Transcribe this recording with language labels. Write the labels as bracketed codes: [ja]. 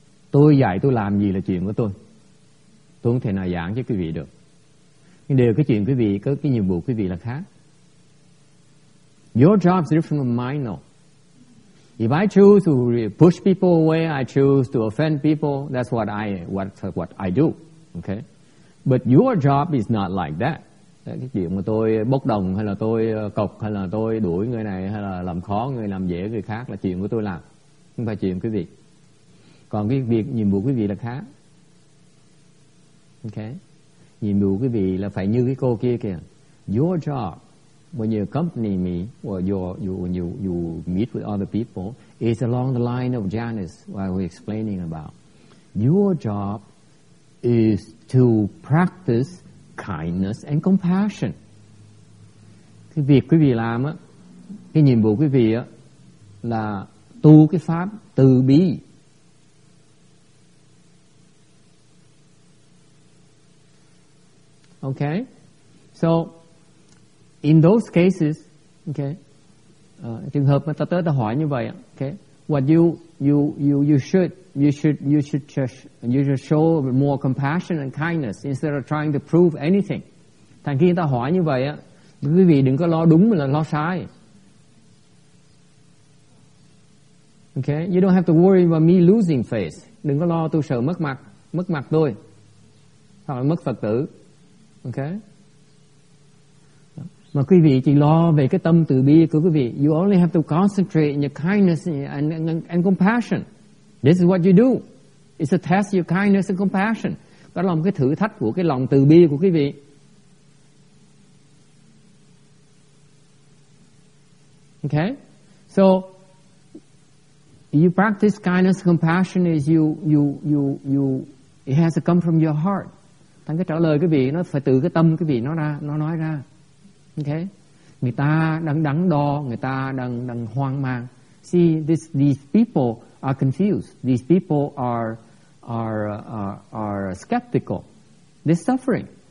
[vi] Tôi dạy tôi làm gì là chuyện của tôi. Tôi không thể nào giảng cho quý vị được. Nhưng điều cái chuyện quý vị, có cái nhiệm vụ quý vị là khác. [en] Your job is different from mine though. If I choose to push people away, I choose to offend people, that's what I do. Okay? But your job is not like that. [vi] Cái chuyện mà tôi bốc đồng hay là tôi cọc hay là tôi đuổi người này hay là làm khó người, làm dễ người khác là chuyện của tôi làm. Không phải chuyện quý vị. Còn cái việc nhiệm vụ quý vị là khác. Okay. Nhiệm vụ quý vị là phải như cái cô kia kìa. [en] Your job when you accompany me or you meet with other people is along the line of Janice, what we're explaining about. Your job is to practice kindness and compassion. [vi] Cái việc quý vị làm á, cái nhiệm vụ quý vị á là tu cái pháp từ bi. [en] Okay? So, in those cases, okay, [vi] trường hợp mà ta tới ta hỏi như vậy, [en] okay, what you should show more compassion and kindness instead of trying to prove anything. [vi] Thành khi ta hỏi như vậy, quý vị đừng có lo đúng mà là lo sai. [en] Okay, you don't have to worry about me losing face. [vi] Đừng có lo tôi sợ mất mặt tôi, hoặc là mất Phật tử. Okay. Mà quý vị chỉ lo về cái tâm từ bi của quý vị. [en] You only have to concentrate in your kindness and compassion. This is what you do. It's a test of your kindness and compassion. [vi] Đó là một cái thử thách của cái lòng từ bi của quý vị. [en] Okay? So, you practice kindness and compassion as you it has to come from your heart. [vi] Thành cái trả lời quý vị nó phải từ cái tâm quý vị nó nói ra. Okay. Người ta đang đắn đo, người ta đang đang hoang mang. [en] See, these people are confused. These people are skeptical. They're suffering.